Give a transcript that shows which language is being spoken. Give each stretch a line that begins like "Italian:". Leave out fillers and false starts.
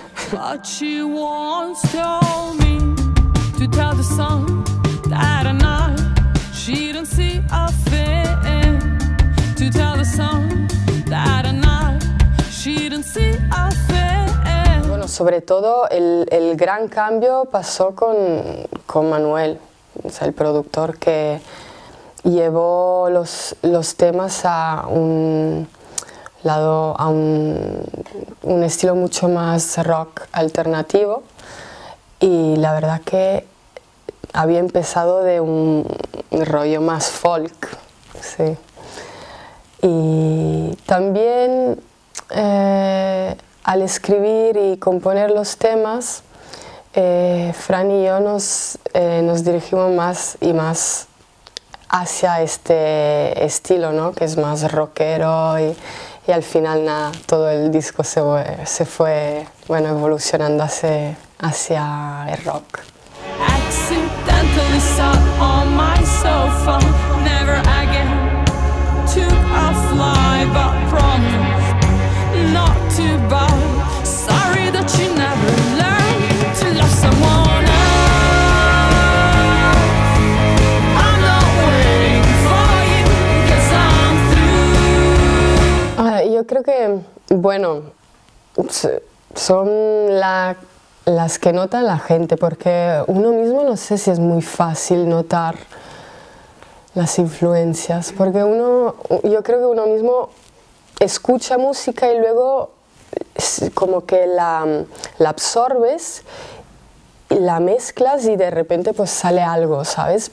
English: But she once told me to tell the sun that at night she didn't see a thing. To tell the sun that at night she didn't see a thing.
Spanish: Bueno, sobre todo el gran cambio pasó con Manuel. O sea, el productor que llevó los temas a un lado, a un estilo mucho más rock alternativo. Y la verdad que había empezado de un rollo más folk, sí. Y también al escribir y componer los temas, Fran y yo nos dirigimos más y más hacia este estilo, ¿no? Que es más rockero y al final nada, todo el disco se fue bueno, evolucionando hacia el rock.
English: Accidentally sat on my sofa, never again took a fly, but promise not to buy. Sorry that you never learned to love someone else. I'm not waiting for you, cause I'm through.
Spanish: Yo creo que, bueno, son las que nota la gente, porque uno mismo no sé si es muy fácil notar las influencias, porque uno, yo creo que uno mismo escucha música y luego como que la absorbes, la mezclas y de repente pues sale algo, ¿sabes?